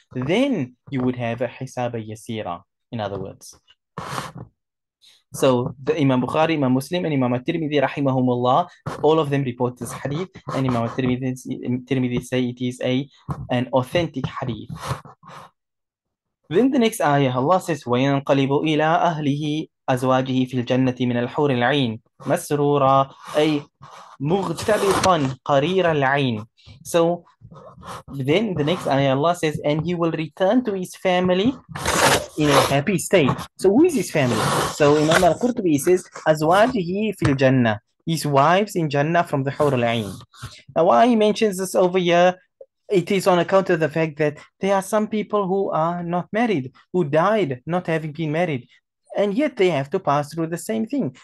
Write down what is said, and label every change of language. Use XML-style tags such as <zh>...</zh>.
<en>Then you would have a hisaba yasira, in other words. So the Imam Bukhari, Imam Muslim, and Imam Tirmidhi, rahimahumullah, all of them report this hadith, and Imam Tirmidhi say it is an authentic hadith. Then the next ayah, Allah says,</en> <ar>وَيَنْقَلِبُ إِلَىٰ أَهْلِهِ أَزْوَاجِهِ فِي الْجَنَّةِ مِنَ الْحُورِ الْعِينِ مَسْرُورًا أي مُغْتَبِطًا قَرِيرَ الْعِينِ.</ar> <en>So then the next ayah, Allah says, and he will return to his family in a happy state. So who is his family? So Imam Al-Qurtubi says,</en> <ar>أَزْوَاجِهِ فِي الْجَنَّةِ,</ar> <en>his wives in Jannah from the حُورِ الْعِينِ. Now why he mentions this over here, it is on account of the fact that there are some people who are not married, who died not having been married, and yet they have to pass through the same thing.</en>